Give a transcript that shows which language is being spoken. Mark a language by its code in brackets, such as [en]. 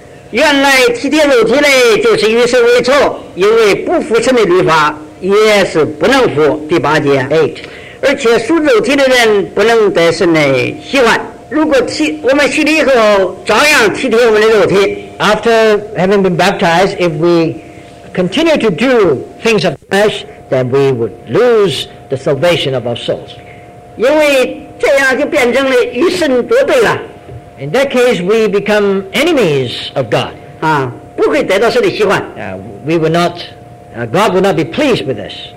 [zh] 原来体贴肉体的就是与神为仇，因为不服神的律法也是不能服。第8节， 8，而且属肉体的人不能得神的喜欢。如果我们洗礼以后照样体贴我们的肉体。 [en] After having been baptized, if we continue to do things of flesh, then we would lose the salvation of our souls. [zh] 因为这样就变成了与神作对了。 [en] In that case, we become enemies of God. We will not, God will not be pleased with us.